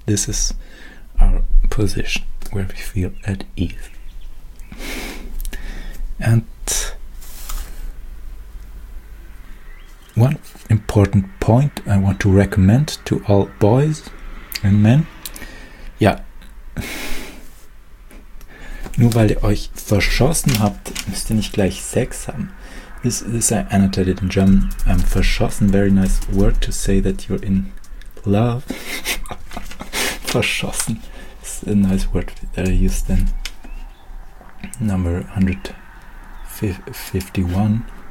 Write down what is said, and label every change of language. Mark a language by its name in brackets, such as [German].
[English] This is our position where we feel at ease. And one important point I want to recommend to all boys and men. Yeah. [German] Nur weil ihr euch verschossen habt, müsst ihr nicht gleich Sex haben. [English] This is annotated in German. Verschossen, very nice word to say that you're in love. Verschossen is a nice word that I used in number 151.